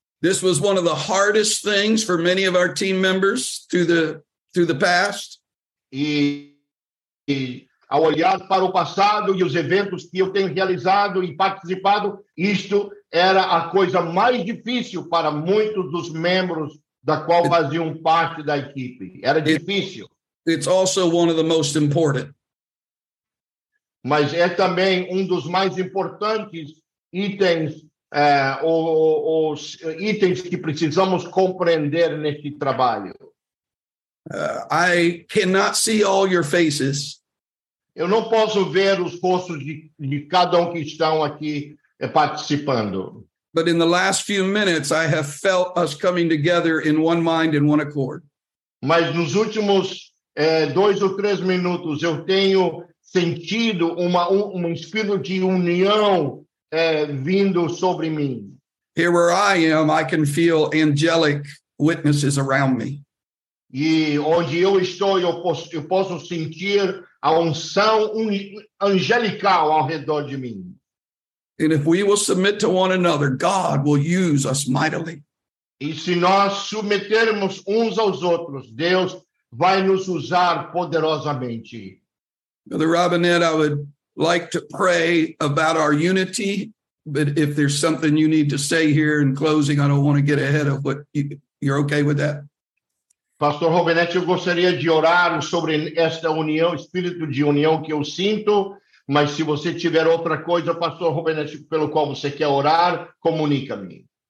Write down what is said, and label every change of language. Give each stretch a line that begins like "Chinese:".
English: This was one of the hardest things for many of our team members through the past.
Portuguese: E ao olhar para o passado e os eventos que eu tenho realizado e participado, isto era a coisa mais difícil para muitos dos membros da qual faziam parte da equipe. Era difícil.
English: It's also one of the most important.
Portuguese: Mas é também um dos mais importantes itens, os itens que precisamos compreender neste trabalho.
English: I cannot see all your faces.
Portuguese: Eu não posso ver os rostos de cada que estão aqui participando.
English: But in the last few minutes, I have felt us coming together in one mind and one accord.
Portuguese: Mas nos últimos dois ou três minutos, eu tenho sentido um espírito de união vindo sobre mim.
English: Here where I am, I can feel angelic witnesses around me.
Portuguese: E onde eu estou, eu posso sentir a unção angelical ao redor de mim.
English: And if we will submit to one another, God will use us mightily.
Portuguese: E se nós submetermos uns aos outros, Deus vai nos usar poderosamente.
English: Brother Robinette, I would like to pray about our unity, but if there's something you need to say here in closing, I don't want to get ahead of what you're okay with that.
Portuguese: Pastor Robinette, eu gostaria de orar sobre esta união, espírito de união que eu sinto. Mas se você tiver outra coisa, Pastor Rubens, pelo qual você quer orar, comunica-me.